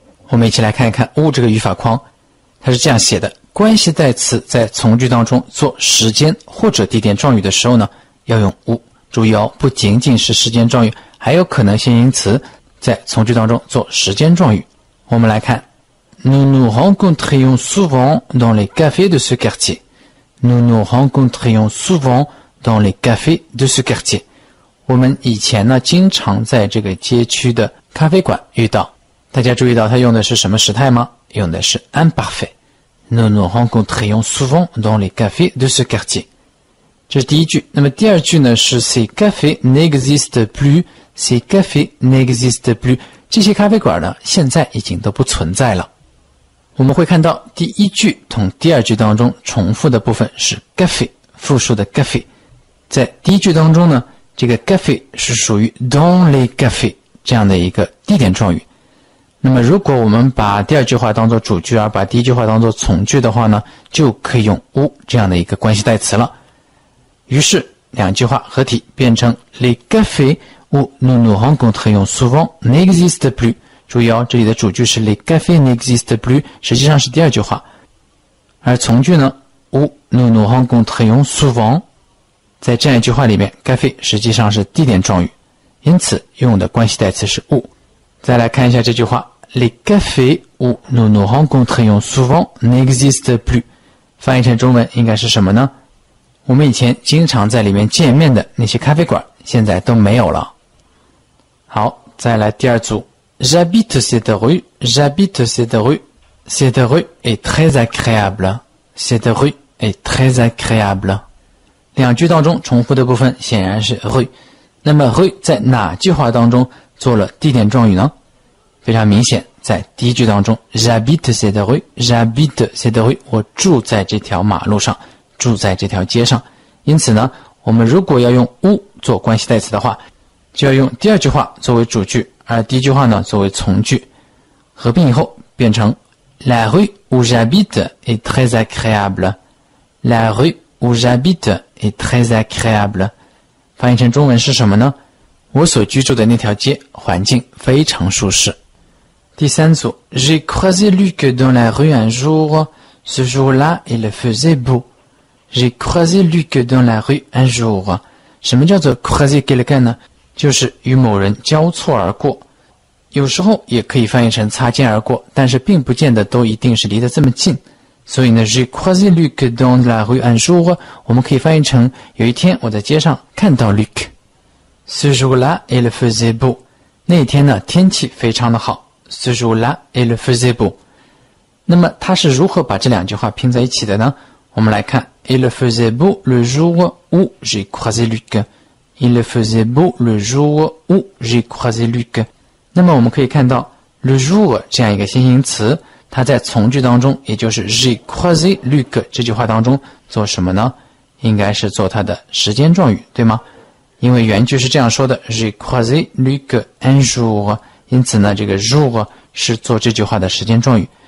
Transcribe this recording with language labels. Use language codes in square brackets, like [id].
[zh] 我们一起来看一看 u 这个语法框，它是这样写的：关系代词在从句当中做时间或者地点状语的时候呢，要用 u。注意哦，不仅仅是时间状语，还有可能性名词。在从句当中做时间状语，我们来看 [fr] Nous nous rencontrions souvent dans les cafés de ce quartier. Nous nous rencontrions souvent dans les cafés de ce quartier. [zh] 我们以前呢经常在这个街区的咖啡馆遇到。大家注意到它用的是什么时态吗？用的是 imparfait. [fr] Nous nous rencontrions souvent dans les cafés de ce quartier. [zh] 这是第一句。那么第二句呢是 [fr] Ces cafés n'existent plus. Ces cafés n'existent plus. [zh] 这些咖啡馆呢现在已经都不存在了。我们会看到第一句同第二句当中重复的部分是 café, 复数的 café。在第一句当中呢这个 café 是属于 [fr] dans les cafés, [zh] 这样的一个地点状语。那么如果我们把第二句话当作主句而把第一句话当作从句的话呢就可以用 où 这样的一个关系代词了。于是两句话合体变成 [fr] les cafés,où nous nous rencontrions souvent n'existe plus. [zh] 注意哦，这里的主句是 [fr] les cafés n'existe plus， [zh] 实际上是第二句话。而从句呢 [fr] où nous nous rencontrions souvent， [zh] 在这样一句话里面 café 实际上是地点状语，因此用的关系代词是 où。再来看一下这句话 [fr] les cafés où nous nous rencontrions souvent n'existe plus， [zh] 翻译成中文应该是什么呢？我们以前经常在里面见面的那些咖啡馆现在都没有了。好，再来第二组。 [fr] J'habite cette rue, j'habite cette rue. Cette rue est très agréable. Cette rue est très agréable. [zh] 两句当中重复的部分显然是 rue。那么 rue 在哪句话当中做了地点状语呢？非常明显，在第一句当中 [fr] ,J'habite cette rue, j'habite cette rue. [zh] 我住在这条马路上，住在这条街上。因此呢，我们如果要用 où 做关系代词的话，就要用第二句话作为主句，而第一句话呢作为从句，合并以后变成 [fr] La rue où j'habite est très agréable. La rue où j'habite est très agréable. [zh] 翻译成中文是什么呢？我所居住的那条街环境非常舒适。第三组 [fr] J'ai croisé Luc dans la rue un jour. Ce jour-là, il faisait beau. J'ai croisé Luc dans la rue un jour. [zh] 什么叫做 [fr] croisé quelqu'un [zh] 呢？就是与某人交错而过，有时候也可以翻译成擦肩而过，但是并不见得都一定是离得这么近。所以呢 [fr] ，j'ai croisé Luc dans la rue un jour， [zh] 我们可以翻译成有一天我在街上看到 Luc。 [fr] Ce jour-là, il faisait beau。 [zh] 那天呢，天气非常的好。 [fr] Ce jour-là, il faisait beau。 [zh] 那么他是如何把这两句话拼在一起的呢？我们来看 [fr] ，il faisait beau le jour où j'ai croisé Luc。 Il faisait beau le jour où j'ai croisé Luc. [zh] 那么我们可以看到 le jour 这样一个先行词，它在从句当中，也就是 [fr] j'ai croisé Luc [zh] 这句话当中做什么呢？应该是做它的时间状语，对吗？因为原句是这样说的 [fr] j'ai croisé Luc un jour， [zh] 因此呢，这个 jour 是做这句话的时间状语。